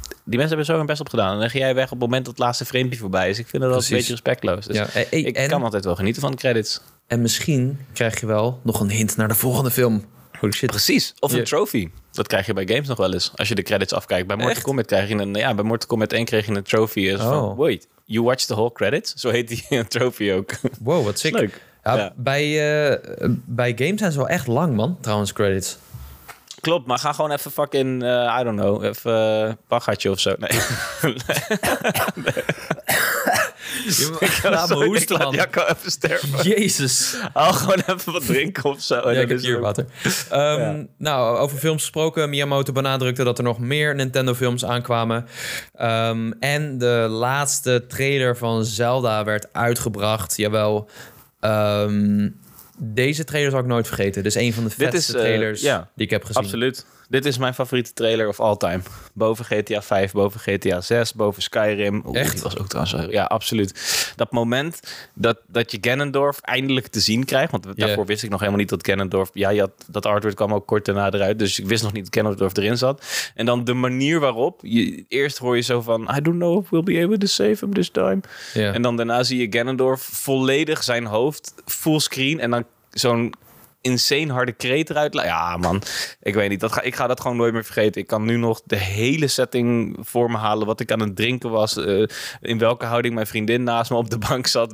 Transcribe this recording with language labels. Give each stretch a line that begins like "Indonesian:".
Dutch: Die mensen hebben zo hun best op gedaan. En dan ga jij weg op het moment dat het laatste framepje voorbij is. Ik vind dat altijd een beetje respectloos. Dus ja. Ik kan altijd wel genieten van de credits. En misschien krijg je wel nog een hint naar de volgende film.
English: Holy shit.
Dutch: Precies. Of een trophy. Dat krijg je bij games nog wel eens. Als je de credits afkijkt. Bij Mortal Kombat krijg je een... Ja, bij Mortal Kombat 1 kreeg je een trophy. Dus
English: wait, you watch the whole credits?
Dutch: Zo heet die trophy ook. Wow, wat sick. Leuk. Ja, ja. Bij games zijn ze wel echt lang, man. Trouwens, credits. Klopt, maar ga gewoon even fucking,
English: I don't know,
Dutch: even baggertje of zo. Nee. Laat me hoesten, man. Ja, ik kan even sterven. Jezus. Al gewoon even wat drinken of zo. Ja, ik heb hier water. Nou, over films gesproken. Miyamoto benadrukte dat er nog meer Nintendo films aankwamen. En de laatste trailer van Zelda werd uitgebracht. Jawel. Deze trailer zal ik nooit vergeten. Dit is een van de vetste trailers die ik heb gezien. Absoluut. Dit is mijn favoriete trailer
English: of all time.
Dutch: Boven GTA 5, boven GTA 6, boven Skyrim. Echt? Die was ook trouwens. Ja, absoluut. Dat moment dat je Ganondorf eindelijk te zien krijgt. Want daarvoor wist ik nog helemaal niet dat Ganondorf... Ja, dat artwork kwam ook kort daarna eruit. Dus ik wist nog niet dat Ganondorf erin zat. En dan de manier waarop... Eerst hoor je zo van...
English: I don't know if we'll be able to save him this time.
Dutch: Yeah. En dan daarna zie je Ganondorf volledig zijn hoofd fullscreen. En dan zo'n... insane harde kreet eruit. Ja, man. Ik weet niet. Ik ga dat gewoon nooit meer vergeten. Ik kan nu nog de hele setting voor me halen. Wat ik aan het drinken was. In welke houding mijn vriendin naast me op de bank zat.